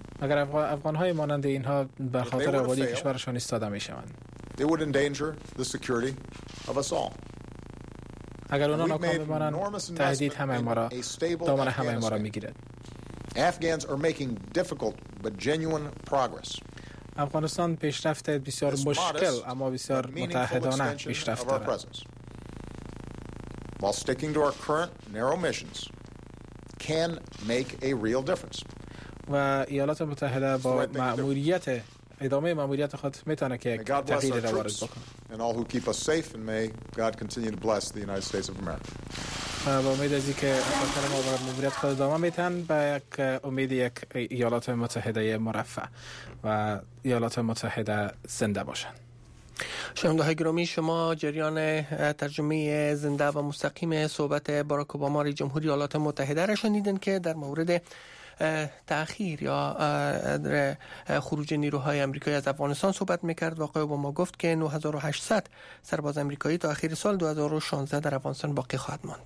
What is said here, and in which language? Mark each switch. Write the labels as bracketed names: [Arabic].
[Persian] اگر افغان‌های مانند اینها بر خاطر آبادی کشورشان ایستاده می شوند [English] They would endanger the security of us all. [Persian] اگر اونا ناکام بمانند تهدید همه ما را دامن همه ما را میگیرد. [English] Afghans are making difficult but genuine progress. [Persian] افغانستان پیشرفت بسیار مشکل اما بسیار متحدانه پیشرفت دارد. [English] While sticking to our current narrow missions can make a real difference. [Persian] و ایالات متحده با مأموریت ادامه ماموریت خود میتونه که یک تغییر را وارد بکنه. [English] And all who keep us safe and may God continue to bless the United States of America. [Persian] با امید از اینکه افغانستان ما بر ماموریت خود ادامه میتن به یک امید یک ایالات متحده مرفع و ایالات متحده زنده باشن. شنونده های گرامی، شما جریان ترجمه زنده و مستقیم صحبت باراک اوباما رئیس جمهور ایالات متحده را شنیدین که در مورد تأخیر یا خروج نیروهای آمریکایی از افغانستان صحبت میکرد و آقای اوباما گفت که 9800 سرباز آمریکایی تا آخر سال 2016 در افغانستان باقی خواهد ماند.